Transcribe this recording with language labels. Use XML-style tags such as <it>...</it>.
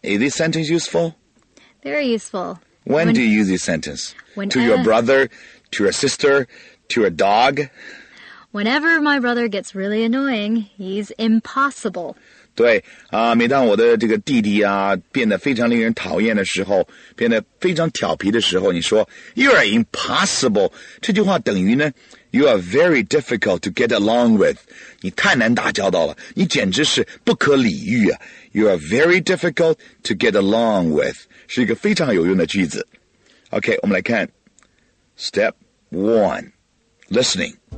<en>Is this sentence useful? Very useful. When do you use this sentence? To your brother, to your sister, to your dog? Whenever my brother gets really annoying, he's impossible.</en> <zh>对啊，每当我的这个弟弟啊变得非常令人讨厌的时候，变得非常调皮的时候，你说</zh> <en>You are impossible，</en> <zh>这句话等于呢</zh> <en>You are very difficult to get along with，</en> <zh>你太难打交道了，你简直是不可理喻啊。</zh> <en>You are very difficult to get along with</en> <zh>是一个非常有用的句子。 OK， 我们来看 Step 1 Listening。</zh>